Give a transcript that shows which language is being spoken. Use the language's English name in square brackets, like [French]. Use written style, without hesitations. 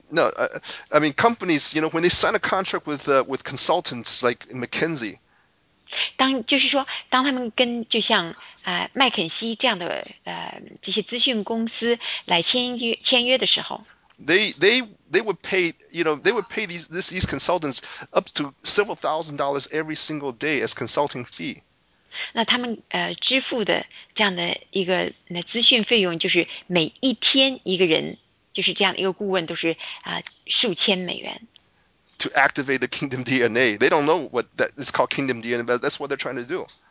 [English] no, I mean companies, you know, when they sign a contract with consultants like McKinsey. [Chinese] 当就是说，当他们跟就像麦肯锡这样的这些咨询公司来签约的时候。 [English] They would pay these consultants up to several thousand dollars every single day as consulting fee. [Chinese] 那他们支付的这样的一个咨询费用，就是每一天一个人就是这样一个顾问都是数千美元. [English] To activate the kingdom DNA, they don't know what that is called kingdom DNA, but that's what they're trying to do.